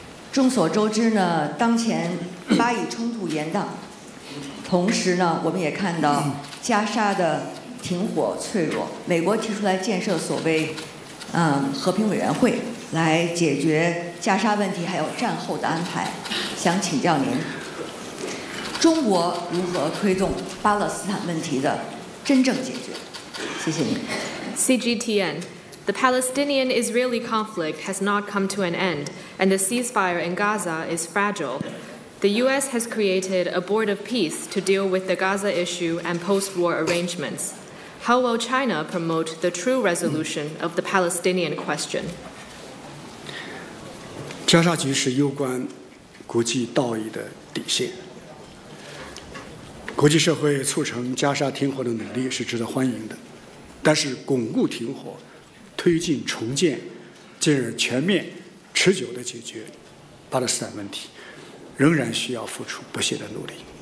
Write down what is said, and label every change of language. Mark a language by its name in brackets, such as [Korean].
[Chinese] 众所周知呢，当前巴以冲突严荡，同时呢，我们也看到加沙的停火脆弱，美国提出来建设所谓和平委员会来解决加沙问题，还有战后的安排，想请教您，中国如何推动巴勒斯坦问题的真正解决？谢谢您。 [English] CGTN, the Palestinian-Israeli conflict has not come to an end, and the ceasefire in Gaza is fragile. The U.S. has created a board of peace to deal with the Gaza issue and post-war arrangements. How will China promote the true resolution of the Palestinian question? [Chinese] 加沙局势攸关国际道义的底线。国际社会促成加沙停火的努力是值得欢迎的。但是巩固停火，推进重建，进而全面持久地解决巴勒斯坦问题，仍然需要付出不懈的努力。